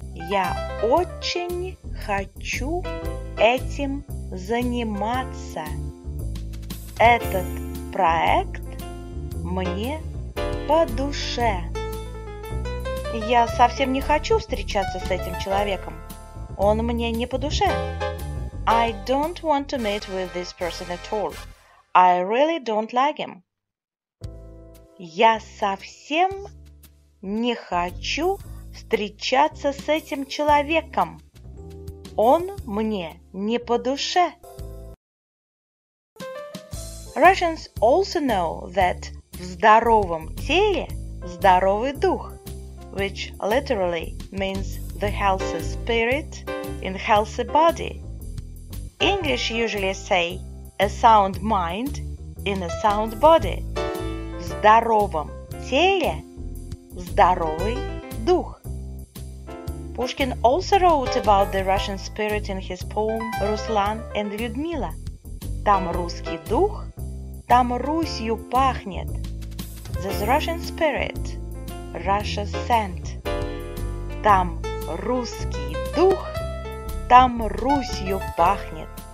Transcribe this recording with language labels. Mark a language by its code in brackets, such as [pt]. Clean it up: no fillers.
[ru] Я очень хочу этим заниматься. Этот проект мне по душе. Я совсем не хочу встречаться с этим человеком. Он мне не по душе. [en] I don't want to meet with this person at all. I really don't like him. [ru] Я совсем не хочу встречаться с этим человеком. Он мне не по душе. [en] Russians also know that [ru] в здоровом теле здоровый дух, [en] which literally means the healthy spirit in healthy body. English usually say a sound mind in a sound body. [ru] В здоровом теле здоровый дух. [en] Pushkin also wrote about the Russian spirit in his poem Ruslan and Людмила. [ru] Там русский дух, там Русью пахнет. [en] There's Russian spirit, Russia scent. [ru] Там русский дух, там Русью пахнет.